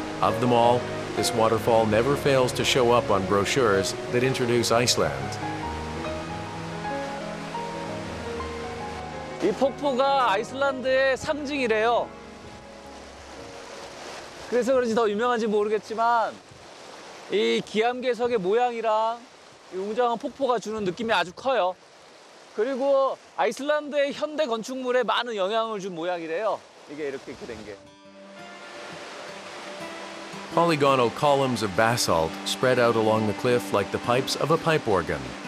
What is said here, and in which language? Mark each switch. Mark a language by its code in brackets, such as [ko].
[en] Of them all, this waterfall never fails to show up on brochures that introduce Iceland. [ko] 이 폭포가 아이슬란드의 상징이래요. 그래서 그런지 더 유명한지 모르겠지만 이 기암괴석의 모양이랑 이 웅장한 폭포가 주는 느낌이 아주 커요. 그리고 아이슬란드의 현대 건축물에 많은 영향을 준 모양이래요. 이게 이렇게 된 게. [en] Polygonal columns of basalt spread out along the cliff like the pipes of a pipe organ.